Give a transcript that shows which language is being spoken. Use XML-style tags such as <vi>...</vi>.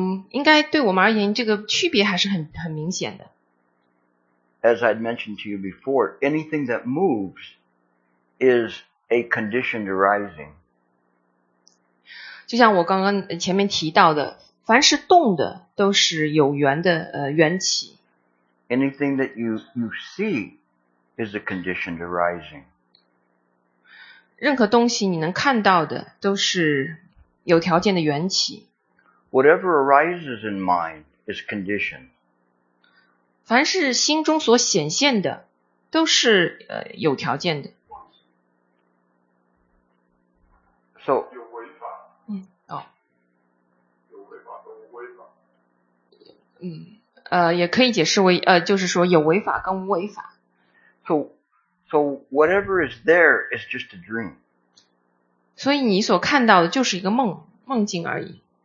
<zh>应该对我们而言，这个区别还是很明显的。</zh> <en>As I'd mentioned to you before, anything that moves. Is a conditioned arising.</en> <zh>就像我刚刚前面提到的，凡是动的都是有缘的缘起。</zh> <en>Anything that you see is a conditioned arising.</en> <zh>任何东西你能看到的都是有条件的缘起。</zh> <en>Whatever arises in mind is conditioned.</en> <zh>凡是心中所显现的都是有条件的。</zh> <en>So,</en> <zh>也可以解释为就是说有违法跟无违法。</zh> <en>So whatever is there is just a dream.</en> <zh>所以你所看到的就是一个梦境而已。</zh>